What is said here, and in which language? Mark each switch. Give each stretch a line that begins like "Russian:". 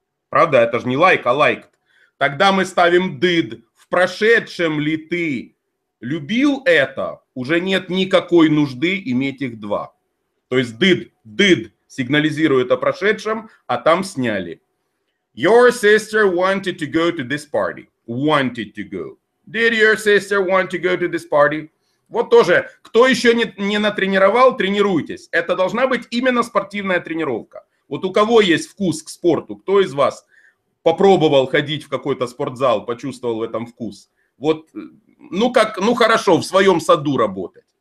Russian: Правда, это же не like, а liked. Тогда мы ставим did. В прошедшем ли ты любил это, уже нет никакой нужды иметь их два. То есть did сигнализирует о прошедшем, а там сняли.
English: Your sister wanted to go to this party. Wanted to go. Did your sister want to go to this party?
Russian: Вот тоже, кто еще не натренировал, тренируйтесь. Это должна быть именно спортивная тренировка. Вот у кого есть вкус к спорту, кто из вас... попробовал ходить в какой-то спортзал, почувствовал в этом вкус. Вот, ну как, ну хорошо, в своем саду работать.